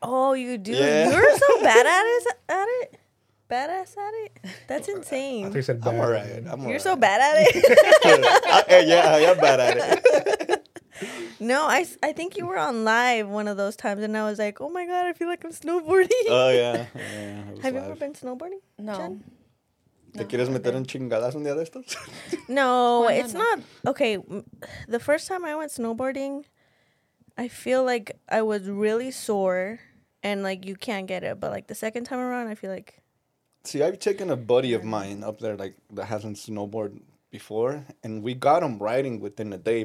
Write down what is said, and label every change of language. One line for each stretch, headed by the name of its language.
English: Oh, you do. Yeah. You're so badass at it. Badass at it. That's insane. I said bad. I'm alright. You're so bad at it. I am bad at it. No, I think you were on live one of those times, and I was like, oh my god, I feel like I'm snowboarding. Oh, yeah. Yeah, have live. You ever been snowboarding? No.
Spanish: ¿Te quieres meter en chingadas un día de estos?
English: No, it's not. Okay, the first time I went snowboarding, I feel like I was really sore, and like you can't get it. But like the second time around, I feel like. See, I've taken a buddy of mine up there like that hasn't snowboarded before, and we got him riding within a day.